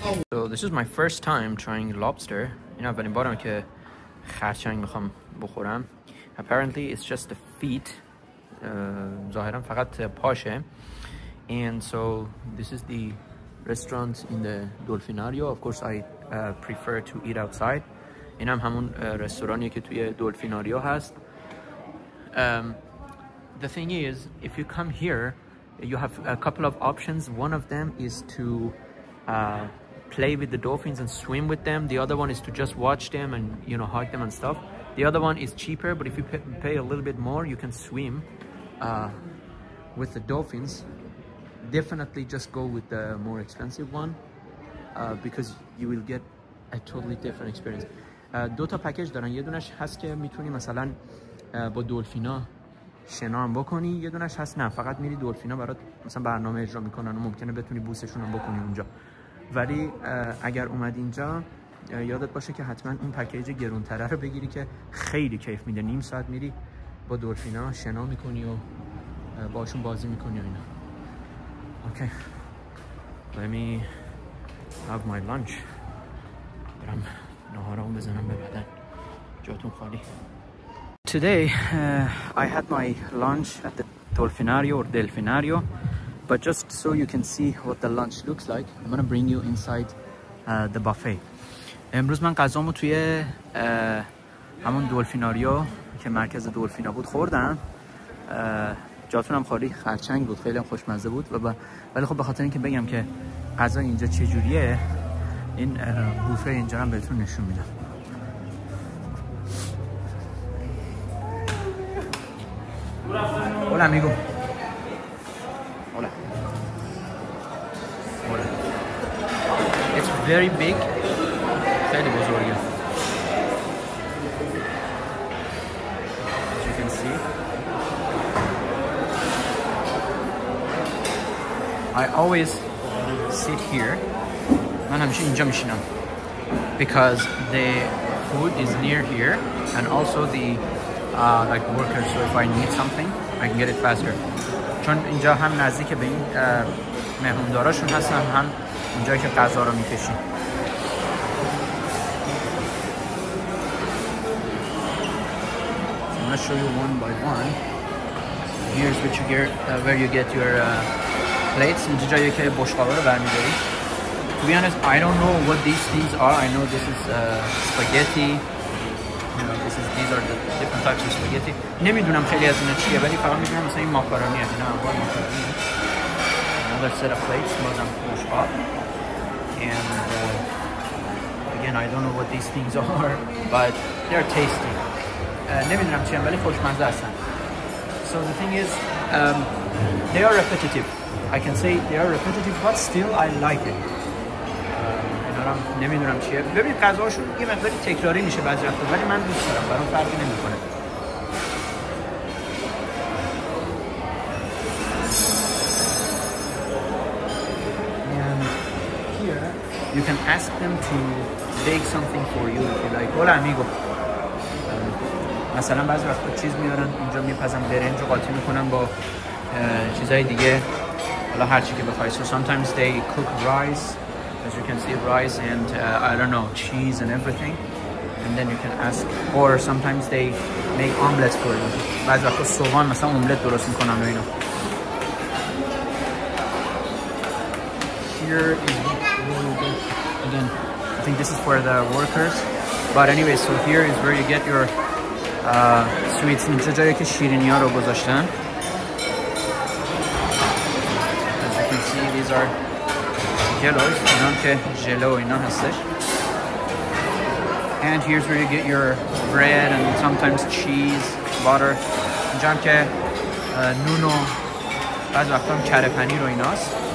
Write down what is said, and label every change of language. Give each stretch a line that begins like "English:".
English: So this is my first time trying lobster. You know,
Persian: اولین بارم که خرچنگ میخوام بخورم.
English: Apparently it's just the feet.
Persian: ظاهرا فقط پاشه.
English: And so this is the restaurant in the Dolfinario. Of course I prefer to eat outside.
Persian: این هم همون رستورانی که توی دولفیناریو هست.
English: The thing is, if you come here, you have a couple of options. One of them is to play with the dolphins and swim with them. The other one is to just watch them and, you know, hug them and stuff. The other one is cheaper, but if you pay a little bit more, you can swim with the dolphins. Definitely just go with the more expensive one because you will get a totally different experience.
Persian: دو تا پکیج دارن. یه دونش هست که میتونی مثلا با دولفینا شنا هم بکنی، یه دونش هست نه، فقط میری دولفینا برات مثلا برنامه اجرا میکنن و ممکنه بتونی بوسشون هم بکنی اونجا. ولی اگر اومد اینجا یادت باشه که حتما اون پکیج گرونتره رو بگیری که خیلی کیف میده. نیم ساعت میری با دولفینا شنا میکنی و باشون بازی میکنی و اینا.
English: Okay. Let me have my lunch.
Persian: برم نهارا هم بزنم به بدن. جاتون خالی.
English: Today I had my lunch at the Dolfinario or Delfinario, but just so you can see what the lunch looks like, I'm gonna bring you inside the buffet.
Persian: امروز من غذامو توی همون دولفیناریو که مرکز دولفینا بود خوردم. جاتونم خالی خرچنگ بود، خیلی هم خوشمزه بود. ولی خب به خاطر اینکه بگم که غذا اینجا چه جوریه، این بوفه اینجا هم بهتون نشون میدم.
Spanish: Hola amigo. Hola.
English: It's very big.
Persian: خیلی بزرگه.
English: As you can see. I always sit here.
Persian: من همیشه اینجا میشینم.
English: Because the food is near here and also the like workers, so if I need something I can get it faster.
Persian: چون اینجا هم نزدیک به این مهمونداراشون هستن، هم اینجایی که غذا رو میکشین.
English: I'm gonna show you one by one. Here's what you get, where you get your plates.
Persian: اینجا جایی که بشقابه رو برمیداری.
English: To be honest, I don't know what these things are. I know this is spaghetti. These are the different types of spaghetti.
Persian: نمیدونم خیلی از اینا چیه، ولی فقط میدونم مثلا این ماکارونی هست.
English: Another set of plates.
Persian: بازم پوش با.
English: And again, I don't know what these things are, but they're tasty.
Persian: نمیدونم چیه، ولی خوشمزه هستن.
English: So the thing is, they are repetitive. I can say they are repetitive, but still I like it.
Persian: نمیدونم چیه. ببین غذاشون یه مقداری تکراری میشه بعضی وقتا، ولی من دوست دارم، برام فرقی نمیکنه.
English: Here you can ask them to bake something for you if you like.
Spanish: Hola amigo.
Persian: مثلا بعضی وقت چیز میارن اینجا میپزم برنج و قاطی میکنم با چیزهای دیگه، حالا هر چی که بخوای.
English: So sometimes they cook rice, as you can see, rice and I don't know, cheese and everything. And then you can ask, or sometimes they make omelets for you.
Persian: بعضی وقت سوغان مثلا املت درست میکنم و اینو.
English: Here is really good. Again, I think this is for the workers. But anyway, so here is where you get your sweets.
Persian: اینجا جایی که شیرینی‌ها رو گذاشتن.
English: As you can see, these are jellos.
Persian: اینا که جلو اینا هستش.
English: And here's where you get your bread and sometimes cheese, butter.
Persian: اینجا هم که نون و بعض وقتا هم کره پنیر و ایناست.